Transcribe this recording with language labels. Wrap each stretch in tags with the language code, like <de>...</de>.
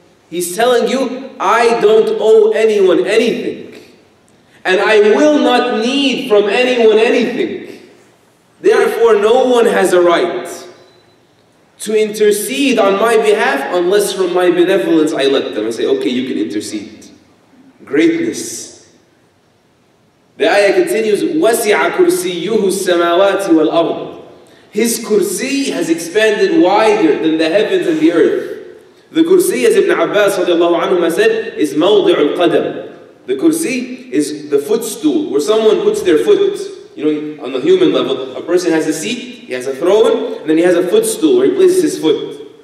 <en>He's telling you, I don't owe anyone anything. And I will not need from anyone anything. Therefore, no one has a right to intercede on my behalf unless from my benevolence I let them. I say, okay, you can intercede. Greatness. The ayah continues,</en> <ar>وَسِعَ كُرْسِيُّهُ السَّمَاوَاتِ وَالْأَرْضِ.</ar> <en>His kursi has expanded wider than the heavens and the earth. The kursi, as Ibn Abbas radiallahu anhu said, is</en> <ar>مَوْضِعُ الْقَدَمْ.</ar> <en>The kursi is the footstool, where someone puts their foot. You know, on the human level, a person has a seat, he has a throne, and then he has a footstool where he places his foot.</en>